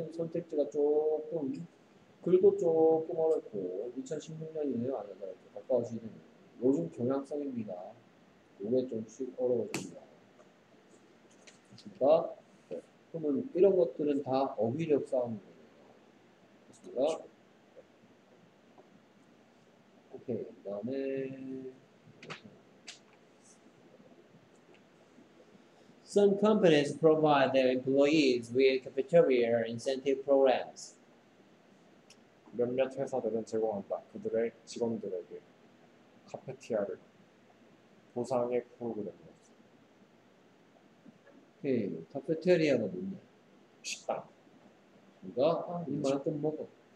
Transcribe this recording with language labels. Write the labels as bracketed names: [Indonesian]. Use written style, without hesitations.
[Korean] 이제 선택지가 조금, 글도 조금 어렵고, 2016년이네요. 아니, 가까워지는 요즘 경향성입니다. 이게 조금씩 어려워집니다. 그렇습니까? 그러면 이런 것들은 다 어휘력 싸움이에요. 그렇습니까? 오케이, 그다음에 [English] Some companies provide their employees with cafeteria incentive programs. [Korean] 몇몇 회사들은 제공한다. 그들의 직원들에게 카페티아를 보상의 프로그램으로. 오케이, 카페테리아가 뭐냐? 식당. 그러니까 아, 이 말은 또 뭐고?